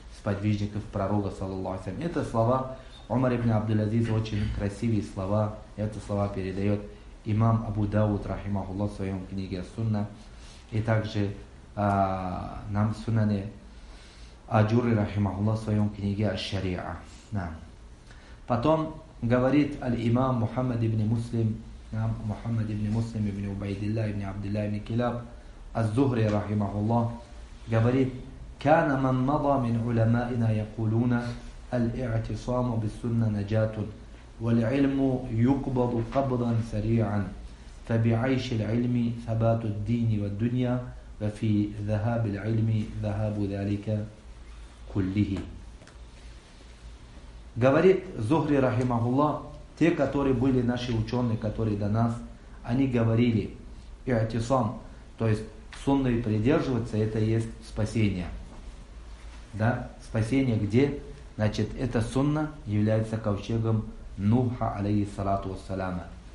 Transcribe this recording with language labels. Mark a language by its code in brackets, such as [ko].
[ru] Подвижников пророка, саллаллаху алейхи ва саллям. Это слова Умар ибн Абдул-Азиз, очень красивые слова. Это слова передает имам Абу Дауд, рахимахуллах, в своем книге Сунна. И также нам Сунане Аджури, рахимахуллах, в своем книге Аш-Шари'а. Да. Потом говорит аль-имам Мухаммад ибн Муслим, нам Мухаммад ибн Муслим ибн Убайдилла ибн Абдулла ибн Килаб, Аз-Зухри, рахимахуллах, говорит: [ar] كان من مضى من علمائنا يقولون الاعتصام بالسنة نجاة والعلم يقبض قبضا سريعا فبعيش العلم ثبات الدين والدنيا وفي ذهاب العلم ذهاب ذلك كله. [ru] Говорит Зухри рахимахуллах, те, которые были наши ученые, которые до нас, они говорили, иатисам, то есть сунной придерживаться, это есть спасение. Да, спасение где? Значит, эта сунна является ковчегом Нуха, алейхиссалату вассаляма.